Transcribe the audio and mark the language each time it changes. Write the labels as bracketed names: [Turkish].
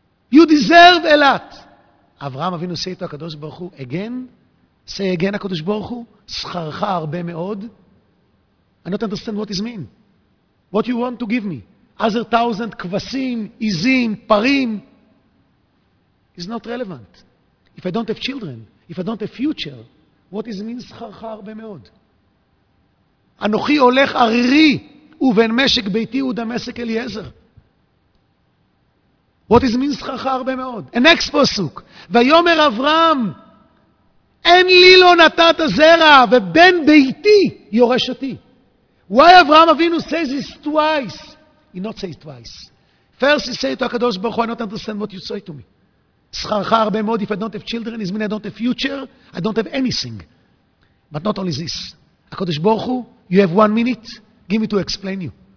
[English] You deserve a lot. Abraham Avinu said to HaKadosh Baruch Hu, again, say again HaKadosh Baruch Hu, [Hebrew] שכרך הרבה מאוד. [English] I don't understand what this means. What you want to give me? Other 1,000 [Hebrew] כבשים, עיזים, פרים, [English] is not relevant. If I don't have children, if I don't have future, what is mean [Hebrew] שכרך הרבה מאוד? אנוכי הולך ערירי, ובן משק ביתי ודמשק אליעזר. [English] What is mean [Hebrew] שכרך הרבה מאוד? [English] And next [Hebrew] פסוק, ויאמר אברהם, אין לי לא נתת זרע, ובן ביתי יורש אותי. [English] Why אברהם אבינו says this twice? He not say it twice. First he say to HaKadosh Baruch Hu, I not understand what you say to me. [Hebrew] שכרך הרבה מאוד, [English] if I don't have children, is mean I don't have future, I don't have anything. But not only this. HaKadosh Baruch Hu, you have 1 minute, give me to explain you.